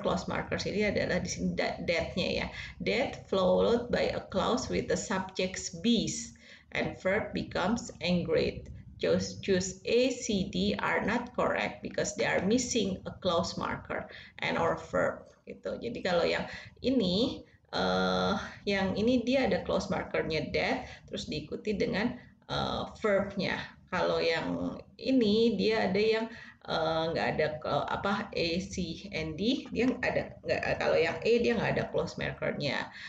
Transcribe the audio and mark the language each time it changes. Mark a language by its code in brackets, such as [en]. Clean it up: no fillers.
[id] Clause marker ini adalah di sini that-nya ya. [en] That followed by a clause with the subject bees and verb becomes angry. Choose A, C, D are not correct because they are missing a clause marker and or verb. [id] Gitu. Jadi kalau yang ini, yang ini dia ada clause markernya that terus diikuti dengan verbnya. Kalau yang ini dia ada yang nggak ada apa A, C, and D, dia ada nggak, kalau yang A dia nggak ada clause markernya.